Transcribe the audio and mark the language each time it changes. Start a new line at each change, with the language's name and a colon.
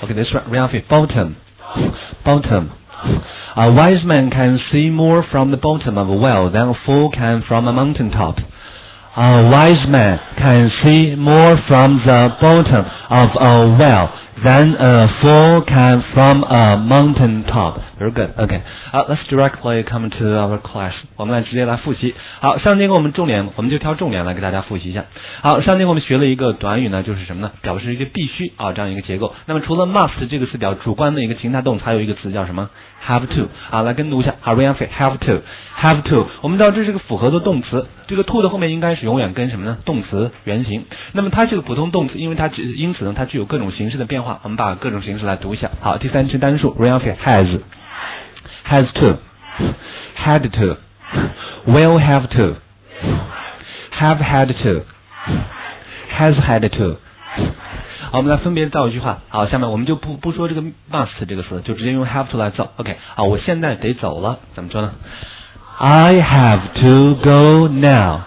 English: OK, this one, ring up bottom, bottom. A wise man can see more from the bottom of a well than a fool can from a mountain top. A wise man can see more from the bottom of a well than a fool can from a mountain top. Very good. Okay. Let's directly come to our class.
Chinese: 我们来直接来复习。好，上节课我们重点，我们就挑重点来给大家复习一下。好，上节课我们学了一个短语呢，就是什么呢？表示一个必须啊这样一个结构。那么除了 must 这个词表主观的一个情态动词，还有一个词叫什么？ Have to 啊，来跟读一下。
English: 好 ，Ryan Fei have to, have to。
Chinese: 我们知道这是个复合的动词，这个 to 的后面应该是永远跟什么呢？动词原形。那么它是个普通动词，因为它因此呢，它具有各种形式的变化。我们把各种形式来读一下。
English: 好，
Chinese: 第三人称单数
English: ，Ryan Fei has, has to, had to, will have to, have had to, has had to。
Chinese: 好，我们来分别造一句话。好，下面我们就不说这个 must 这个词，就直接用 have to 来造。 OK， 好，我现在得走了，怎么说呢 ？
English: I have to go now。